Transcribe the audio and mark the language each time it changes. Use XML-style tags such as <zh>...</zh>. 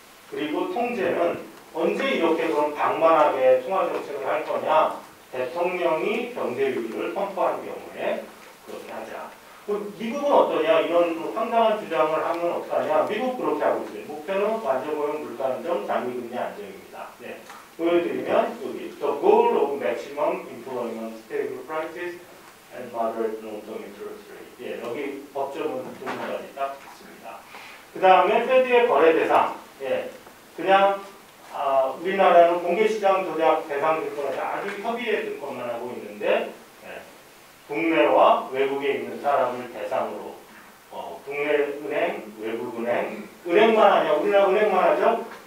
<ko>그리고 통제는 언제 이렇게 그런 방만하게 통화정책을 할 거냐. 대통령이 경제위기를 선포하는 경우에 그렇게 하자. 미국은 어떠냐? 이런 황당한 주장을 하면 어떠냐? 미국 그렇게 하고 있어요. 목표는 관저보험 물가안정, 장기금리 안정입니다. 네. 보여드리면 여기</ko> <en>The goal of maximum employment, stable prices, and moderate long-term interest rate.</en> <ko>예, 여기 법조문 두 문장이 딱 있습니다. 그 다음에 페드의 거래 대상. 그냥 우리나라는 공개시장 조작 대상 조건을 아주 협의에 든 것만 하고 있는데 국내와 외국에 있는 사람을 대상으로 국내 은행, 외국 은행, 은행만 아니야 우리나라 은행만 하죠?</ko>